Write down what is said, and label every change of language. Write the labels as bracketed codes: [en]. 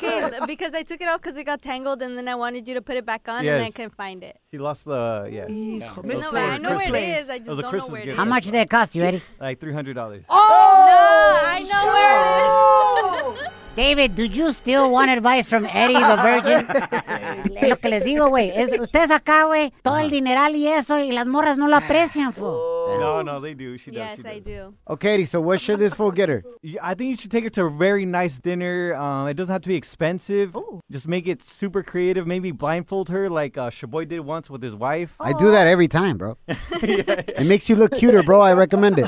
[en] Okay, because I took it off because it got tangled, and then I wanted you to put it back on, yes. And I couldn't find it. She lost the, yeah. I know where it is. How much did it cost you, Eddie? Like $300. Oh, no, I know where it is. David, do you still want advice from Eddie the Virgin? [es] Lo que les digo, güey, es ustedes acá, güey, todo el dineral y eso, y las morras no lo aprecian, fool. [en] No, they do. She does. Yes, she does. I do. Okay, Eddie, so what should this fool get her? I think you should take her to a very nice dinner. It doesn't have to be expensive. Ooh. Just make it super creative. Maybe blindfold her like Sheboy did once with his wife. Aww. I do that every time, bro. It makes you look cuter, bro. I recommend it.